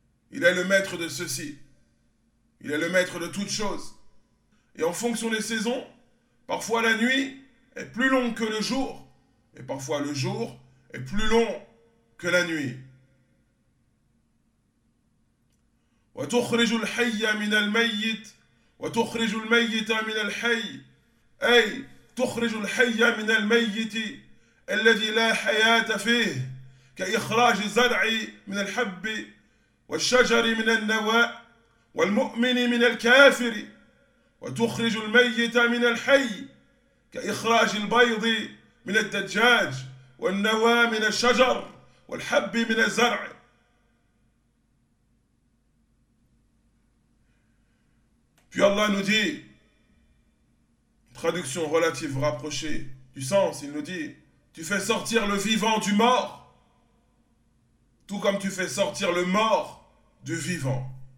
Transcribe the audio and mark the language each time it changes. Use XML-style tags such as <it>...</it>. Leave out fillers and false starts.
<fr>Il est le maître de ceci. Il est le maître de toutes choses. Et en fonction des saisons, parfois la nuit est plus longue que le jour, et parfois le jour est plus long que la nuit.</fr> <ar>« Wa tukhriju al-hayya min al-mayyit » وتخرج الميت من الحي أي تخرج الحي من الميت الذي لا حياة فيه كإخراج الزرع من الحب والشجر من النواء والمؤمن من الكافر وتخرج الميت من الحي كإخراج البيض من الدجاج والنواء من الشجر والحب من الزرع.</ar> <fr>Puis Allah nous dit, traduction relative rapprochée du sens, il nous dit, tu fais sortir le vivant du mort, tout comme tu fais sortir le mort du vivant.</fr>